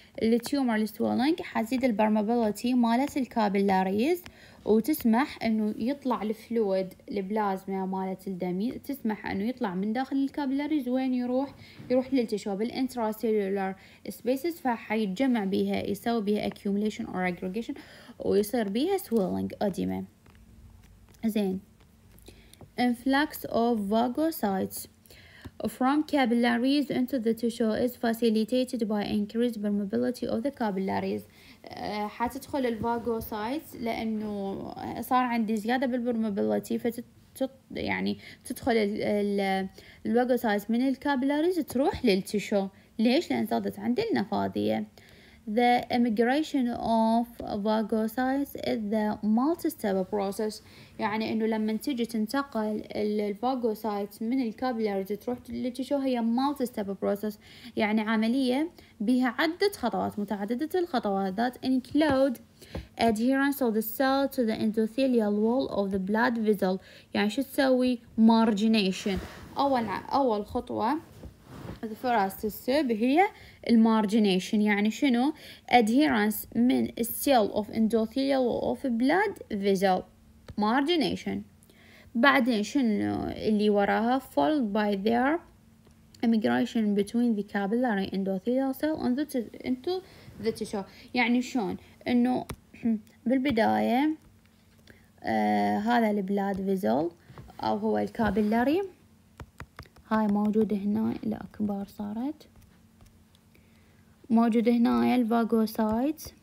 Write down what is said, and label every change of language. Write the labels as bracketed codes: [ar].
[ar] التيومر السوالنج حزيد البرمبيلتي مالت الكابلاريز وتسمح انه يطلع الفلويد البلازما مالت الدمي تسمح انه يطلع من داخل الكابلاريز. وين يروح؟ يروح للتشو بالانتراسيلولار سبيسز فحيتجمع بيها يسوي بيها اكيوميليشن اور اجريجيشن ويصير بيها سوالنج اديمه. زين. [en] Influx of phagocytes from capillaries into the tissue is facilitated by increased permeability of the capillaries. [ar] حتدخل الفاجوسايتس لانه صار عندي زياده بالبرميبيليتي يعني تدخل الفاجوسايتس من الكابلاريز تروح للتشو. ليش؟ لان زادت عندي النفاذيه. [en] The immigration of phagocytes is the multi-step process. [ar] يعني إنه لما تيجي تنتقل الفاجوسايت من الكابلاريز تروح للتشو هي [en] multi-step process. [ar] يعني عملية بها عدة خطوات متعددة الخطوات. [en] That include adherence of the cell to the endothelial wall of the blood vessel. [ar] يعني شو تسوي؟ margination. أول خطوة [en] the first step [ar] هي المارجينيشن. يعني شنو؟ [en] adherence من cell of endothelial of blood vessel margination. [ar] بعدين شنو اللي وراها؟ [en] followed by their immigration between the capillary endothelial cell and into the tissue. [ar] يعني شون انه بالبداية هذا blood vessel او هو الكابلاري هاي موجودة هنا الأكبر صارت موجودة هنا الفاجوسايت.